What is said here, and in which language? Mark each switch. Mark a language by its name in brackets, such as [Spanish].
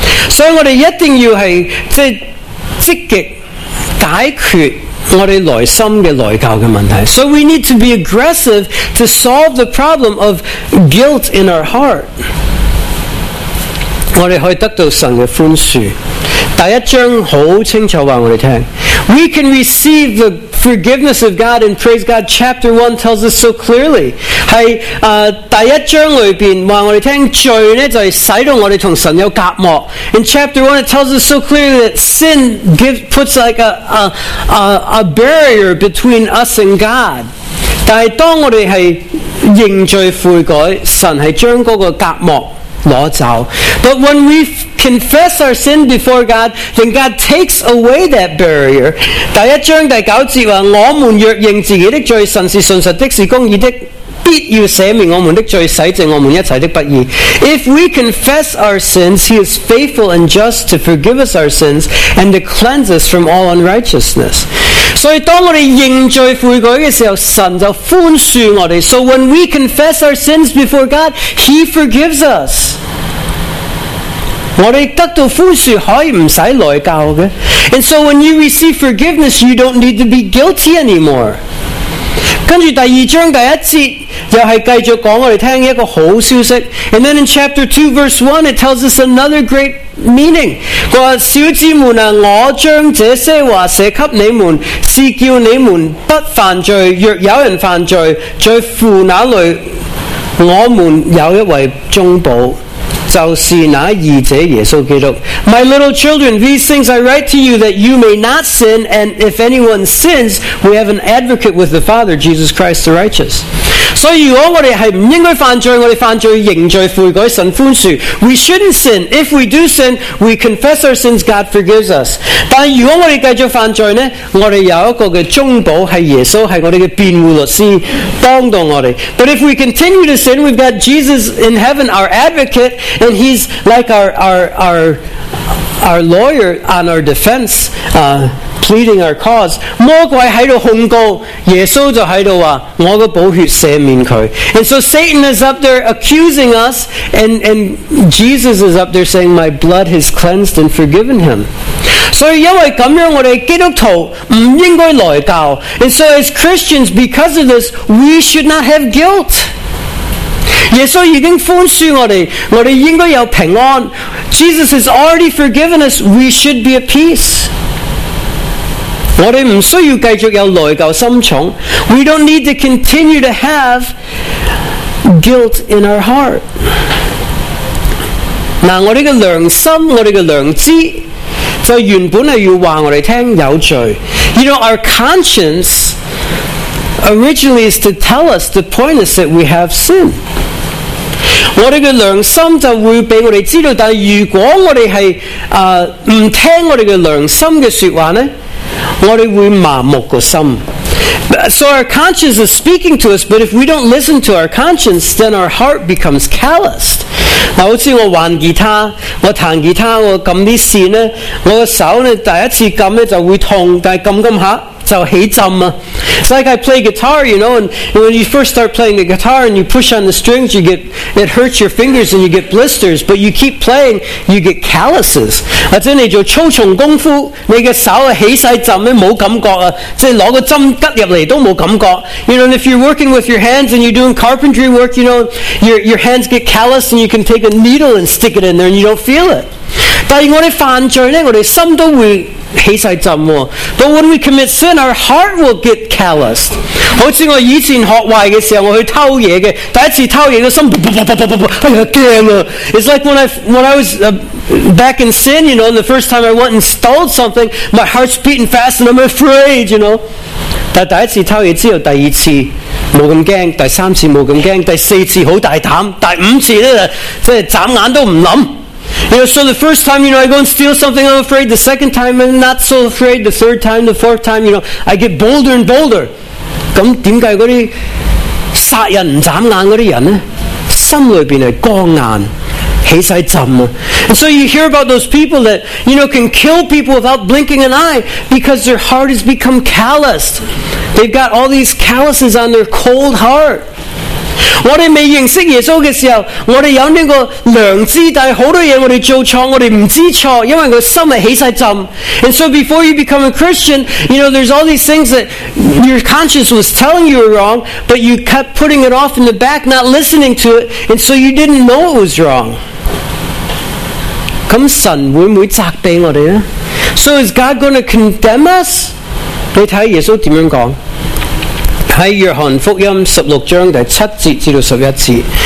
[Cantonese] 所以我哋一定要系即系。积极解决我哋内心嘅内疚嘅问题。 [English] So we need to be aggressive to solve the problem of guilt in our heart. [Cantonese] 我哋可以得到神嘅宽恕。第一章好清楚话我哋听。 [English] We can receive the forgiveness of God and praise God. Chapter 1 tells us so clearly. [Cantonese] 在第一章里面说我们听罪呢就是使到我们跟神有隔膜。 [English] In chapter 1 it tells us so clearly that sin puts like a barrier between us and God. [Cantonese] 但是当我们是认罪悔改神是将那个隔膜拿走。 [English] But when we confess our sin before God, then God takes away that barrier. [Cantonese] 第一章第九节话：我们若认自己的罪，神是信实的，是公义的，必要赦免我们的罪，洗净我们一切的不义。 [English] If we confess our sins, He is faithful and just to forgive us our sins and to cleanse us from all unrighteousness. [Cantonese] 所以当我们认罪悔改的时候，神就宽恕我们。 [English] So when we confess our sins before God, He forgives us. [Cantonese] 我们得到宽恕可以不用内疚的。 [English] And so when you receive forgiveness, you don't need to be guilty anymore. [Cantonese] 跟着第二章第一节又是继续讲我们听一个好消息。 [English] And then in chapter 2 verse 1, it tells us another great meaning. [Cantonese] 说小子们啊，我将这些话写给你们，是叫你们不犯罪。若有人犯罪，罪父那里，我们有一位中保。就是那义者耶稣基督。 [English] My little children, these things I write to you that you may not sin, and if anyone sins, we have an advocate with the Father, Jesus Christ the righteous. [Cantonese] 所以如果我们是不应该犯罪，我们犯罪认罪悔改，神宽恕。 [English] We shouldn't sin. If we do sin, we confess our sins, God forgives us. [Cantonese] 但如果我们继续犯罪呢，我们有一个中保，是耶稣，是我们的辩护律师，帮到我们。 [English] But if we continue to sin, we've got Jesus in heaven, our advocate, and he's like our lawyer on our defense, pleading our cause. [Cantonese] 魔鬼喺度控告，耶稣就喺度话：我嘅宝血赦免佢。 [English] And so Satan is up there accusing us, and Jesus is up there saying, "My blood has cleansed and forgiven him." [Cantonese] 所以因为咁样，我哋基督徒唔应该内疚。 [English] And so as Christians, because of this, we should not have guilt. [Cantonese] 耶稣已经宽恕我们，我们应该有平安。 [English] Jesus has already forgiven us, we should be at peace. [Cantonese] 我们不需要继续有内疚心重。 [English] We don't need to continue to have guilt in our heart. [Cantonese] 那我们的良心，我们的良知，就原本是要告诉我们听有罪。 [English] You know, our conscience originally is to tell us, to point us that we have sin. [Cantonese] 我们的良心就会被我们知道，但如果我们是不听我们的良心的说话呢，我们会麻木的心。 [English] So our conscience is speaking to us, but if we don't listen to our conscience, then our heart becomes calloused. [Cantonese] 好像我玩吉他，我弹吉他，我按些线呢，我的手呢第一次按呢就会痛，但按按下就起浸啊。 [English] It's like I play guitar, you know, and when you first start playing the guitar and you push on the strings, you get, it hurts your fingers and you get blisters, but you keep playing, you get calluses. [Cantonese] 或者你做粗重功夫，你的手起晒浸没感觉啊，即是拿个针刺入来都没感觉。 [English] You know, and if you're working with your hands and you're doing carpentry work, you know, your hands get calloused and you can take a needle and stick it in there and you don't feel it. [Cantonese] 但是我们犯罪呢，我们心都会起晒浸啊。 [English] But when we commit sin, our heart will get calloused. [Cantonese] 好似我以前学坏嘅时候，我去偷嘢嘅，第一次偷嘢嘅心，哎呀惊啊！ [English] It's like when I was back in sin, you know, and the first time I went and stole something, my heart's beating fast and I'm afraid, you know. [Cantonese] 但第一次偷嘢之后，第二次冇咁惊，第三次冇咁惊，第四次好大胆，第五次咧即系眨眼都唔谂。 [English] You know, so the first time, you know, I go and steal something, I'm afraid. The second time, I'm not so afraid. The third time, the fourth time, you know, I get bolder and bolder. [Cantonese] 咁点解嗰啲杀人唔眨眼嗰啲人呢？心里边系光硬，起晒浸啊！ [English] And so you hear about those people that, you know, can kill people without blinking an eye because their heart has become calloused. They've got all these calluses on their cold heart. [Cantonese] 我们未认识耶稣的时候，我们有这个良知，但是很多事我们做错，我们不知错，因为他的心是起了浸。 [English] And so before you become a Christian, you know, there's all these things that your conscience was telling you were wrong, but you kept putting it off in the back, not listening to it, and so you didn't know it was wrong. [Cantonese] 那神会不会责备我们呢？ [English] So is God going to condemn us? [Cantonese] 你看耶稣怎么说，在约翰福音十六章第七节至十一节。